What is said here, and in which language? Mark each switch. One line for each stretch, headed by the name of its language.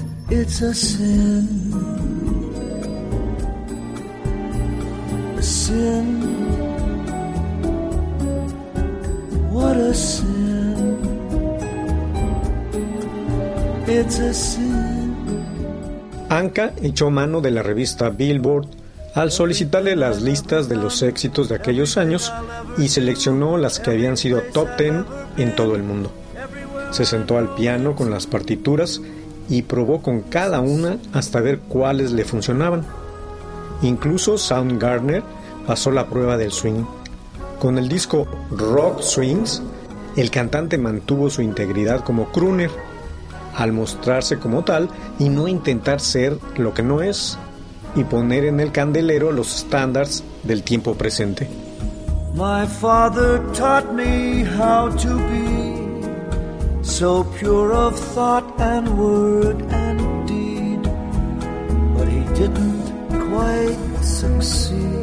English: It's a sin, what a sin, it's a sin.
Spanish: Anka echó mano de la revista Billboard al solicitarle las listas de los éxitos de aquellos años y seleccionó las que habían sido top 10 en todo el mundo. Se sentó al piano con las partituras y probó con cada una hasta ver cuáles le funcionaban. Incluso Soundgarden pasó la prueba del swing. Con el disco Rock Swings, el cantante mantuvo su integridad como crooner, al mostrarse como tal y no intentar ser lo que no es, y poner en el candelero los estándares del tiempo presente.
English: My father taught me how to be. So pure of thought and word and deed, but he didn't quite succeed.